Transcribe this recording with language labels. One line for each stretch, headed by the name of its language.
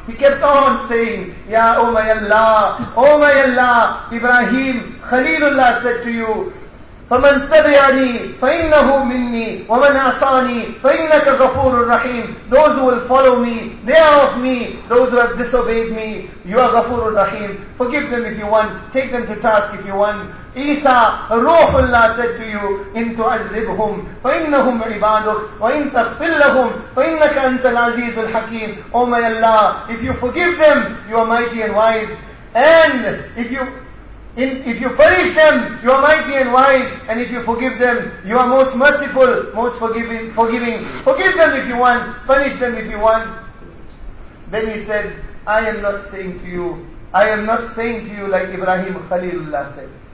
English: He kept on saying, Ya oh my Allah, Ibrahim Khalilullah said to you,
Arabic: فَمَنْ تَبِعَنِي فَإِنَّهُ مِنِّي وَمَنْ أَصَانِي فَإِنَّكَ غَفُورُ الرَّحِيمُ.
English: Those who will follow me, they are of me. Those who have disobeyed me, you are غَفُورُ الرَّحِيمُ. Forgive them if you want. Take them to task if you want. Isa, Ruhullah said to you,
Arabic: إِنْ تُعَذِّبْهُمْ فَإِنَّهُمْ عِبَادُكْ وَإِنْ تَغْفِرْ لَهُمْ فَإِنَّكَ أَنْتَ الْعَزِيزُ الْحَكِيمُ.
English: Oh my Allah, if you forgive them, you are mighty and wise. And if you punish them, you are mighty and wise. And if you forgive them, you are most merciful, most forgiving. Forgive them if you want, punish them if you want. Then he said, I am not saying to you like Ibrahim Khalilullah said.